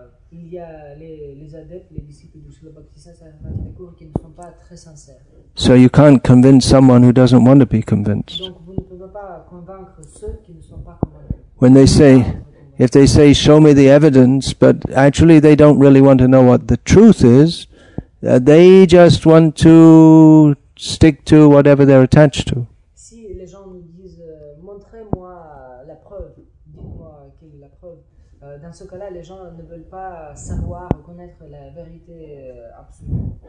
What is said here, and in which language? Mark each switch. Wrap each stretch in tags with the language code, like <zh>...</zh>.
<fr>Il y a les adeptes, les disciples de Srila Bhaktisiddhanta Thakur qui ne sont pas très sincères.</fr> <en>So you can't convince someone who doesn't want to be convinced.</en> <fr>Donc vous ne pouvez pas convaincre ceux qui ne sont pas convaincus.</fr> <en>When they say, if they say, show me the evidence, but actually they don't really want to know what the truth is, they just want to stick to whatever they're attached to.</en> <fr>Si les gens nous disent, montrez-moi la preuve, dites-moi quelle est la preuve. Dans ce cas-là, les gens ne veulent pas savoir ou connaître la vérité absolue.</fr>